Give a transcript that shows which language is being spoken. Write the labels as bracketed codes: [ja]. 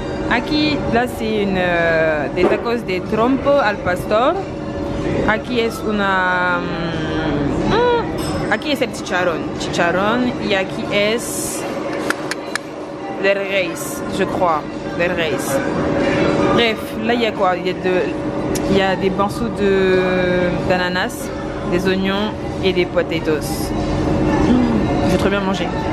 [fr] Aquí, là c'est une des tacos de trompo al pastor. [es] Aquí es una aquí es el chicharrón y aquí es del reis, [fr] je crois, [es] del reis. [fr] Bref, là il y a quoi? Il y a des morceaux de d'ananas, des oignons et des potatoes. J'ai trop bien mangé.